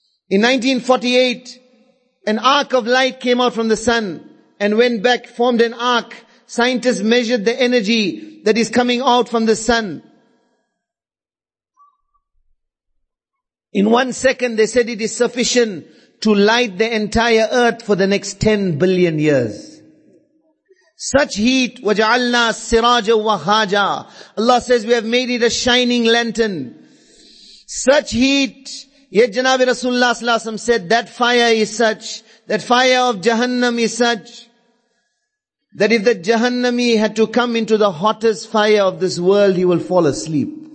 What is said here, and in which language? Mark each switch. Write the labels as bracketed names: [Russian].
[English] In 1948, an arc of light came out from the sun and went back, formed an arc. Scientists measured the energy that is coming out from the sun. In 1 second, they said it is sufficient to light the entire earth for the next 10 billion years. Such heat, [Arabic] وَجَعَلْنَا السِّرَاجَ وَهَاجَا. [English] Allah says we have made it a shining lantern. Such heat, yet Janabi Rasulullah sallallahu alaihi wasallam said that fire is such, that fire of Jahannam is such, that if the Jahannami had to come into the hottest fire of this world, he will fall asleep.